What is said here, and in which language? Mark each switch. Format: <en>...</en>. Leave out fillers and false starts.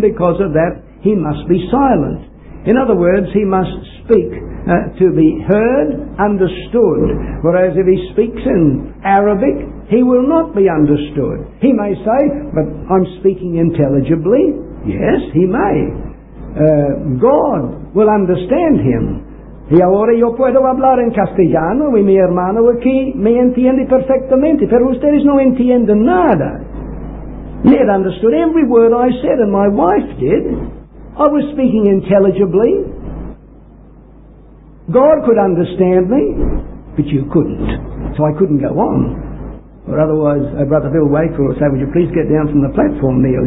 <en>Because of that, he must be silent. In other words, he must speak to be heard, understood. Whereas if he speaks in Arabic, he will not be understood. He may say, but I'm speaking intelligibly. Yes, he may. God will understand him.</en> <es>Y ahora yo puedo hablar en castellano y mi hermano aquí me entiende perfectamente, pero ustedes no entienden nada.</es> <en>Ned understood every word I said, and my wife did. I was speaking intelligibly. God could understand me, but you couldn't. So I couldn't go on. Or otherwise, Brother Bill Wakefield will say, would you please get down from the platform, Neil?</en>